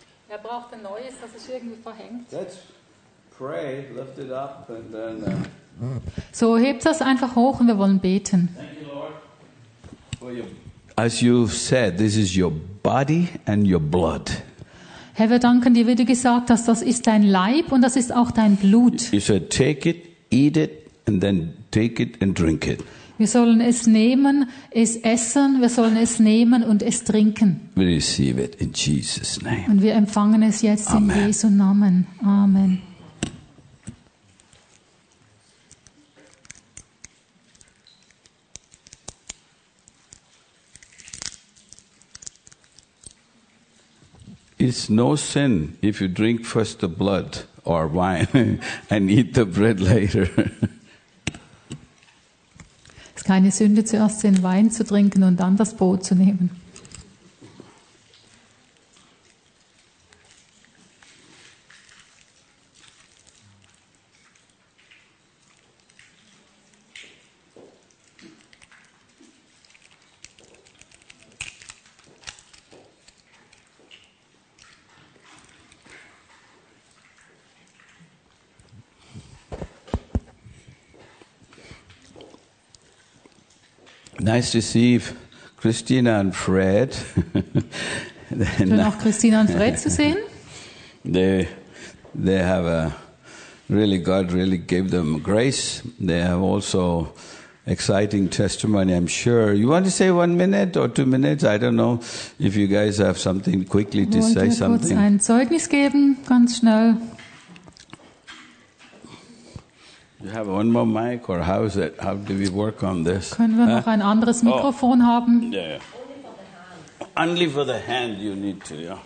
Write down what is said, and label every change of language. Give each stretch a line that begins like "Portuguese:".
German: Er braucht ein neues, das ist irgendwie verhängt.
English: Pray, lift it up, and then.
German: So hebt das einfach hoch und wir wollen beten.
English: Thank you, Lord. For your, as you said, this is your body and your blood.
German: Herr, wir danken dir, wie du gesagt hast, das ist dein Leib und das ist auch dein Blut.
English: You said, take it, eat it, and then take it and drink it.
German: Wir sollen es nehmen, es essen, wir sollen es nehmen und es trinken.
English: We receive it in Jesus' name.
German: Und wir empfangen es jetzt in Jesu Namen. Amen.
English: It's no sin if you drink first the blood or wine and eat the bread later.
German: Es ist keine Sünde, zuerst den Wein zu trinken und dann das Brot zu nehmen.
English: Nice to see Christina and Fred.
German: Schön, auch Christina und Fred zu sehen.
English: They have a really, God really gave them grace. They have also exciting testimony, I'm sure. You want to say 1 minute or 2 minutes? I don't know if you guys have something quickly to say something.
German: Wollt ihr kurz ein Zeugnis geben, ganz schnell?
English: You have one more mic, or how is it? How do we work on this?
German: Können wir noch ein anderes Mikrofon haben?
English: Yeah. Only for the hand you need to, yeah.